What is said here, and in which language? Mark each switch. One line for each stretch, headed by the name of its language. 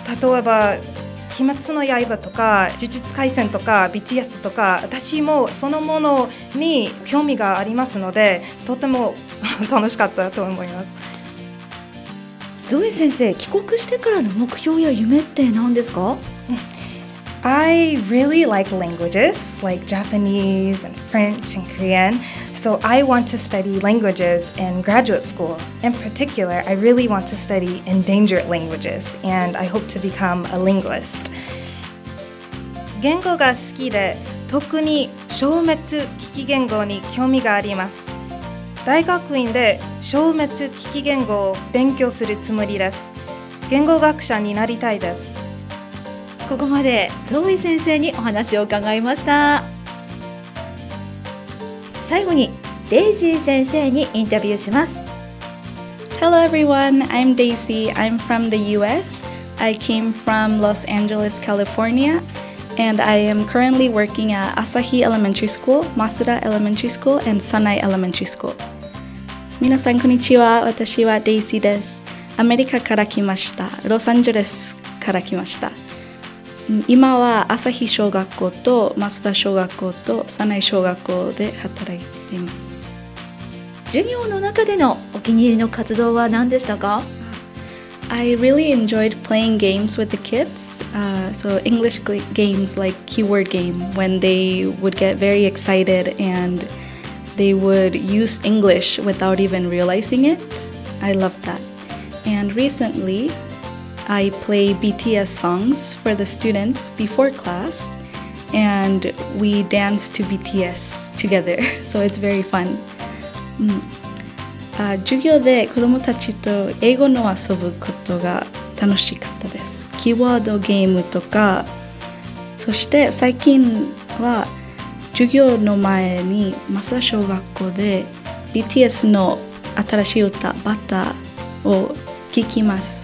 Japanese: 例えば、鬼滅の刃とか呪術廻戦とか BTS とか、私もそのものに興味がありますので、とても楽しかったと思います。ゾイ先生、帰国してからの目標や夢って何ですか？
English: I really like languages like Japanese and French and Korean, so I want to study languages in graduate school. In particular, I really want to study endangered languages and I hope to become a linguist.
Japanese: 言語が好きで、特に消滅危機言語に興味があります。大学院で消滅危機言語を勉強するつもりです。言語学者になりたいです。ここまでゾーイ先生にお話を伺いました。最後にデイジー先生にインタビューします。
English: Hello everyone, I'm Daisy. I'm from the US. I came from Los Angeles, California, and I am currently working at Asahi Elementary School, Masuda Elementary School, and Sanai Elementary School.
Japanese: 皆さんこんにちは、私はデイジーです。アメリカから来ました。ロサンゼルスから来ました。今は朝日小学校と松田小学校と佐内小学校で働いています。授業の中でのお気に入りの活動は何でしたか？
English: I really enjoyed playing games with the kids. So English games like keyword game, when they would get very excited and they would use English without even realizing it. I loved that. And recently,I play BTS songs for the students before class, and we dance to BTS together, so it's very fun.
Japanese: 授業で子どもたちと英語の遊ぶことが楽しかったです。キーワードゲームとか、そして最近は授業の前に増田小学校で BTS の新しい歌、バターを聴きます。